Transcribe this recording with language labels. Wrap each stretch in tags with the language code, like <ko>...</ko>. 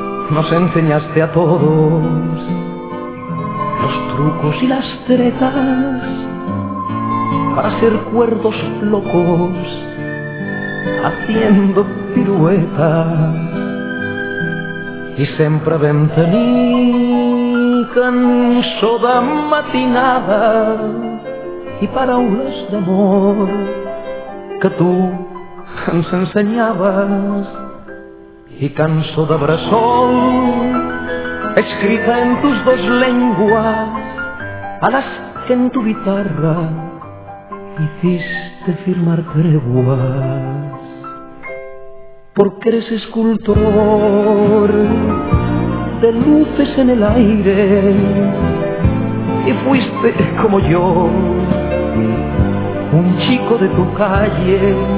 <es>Nos enseñaste a todos los trucos y las tretas para ser cuerdos locos haciendo piruetas. Y siempre</es> <ca>vam tenir cançó de matinada i paraules d'amor que tu ens ensenyaves. I cançó de bressol escrita</ca> <es>en tus dos lenguas</es> <ca>a les que</ca> <es>en tu guitarra hiciste firmar treguas. Porque eres escultor de luces en el aire y fuiste como yo un chico de tu calle.</es>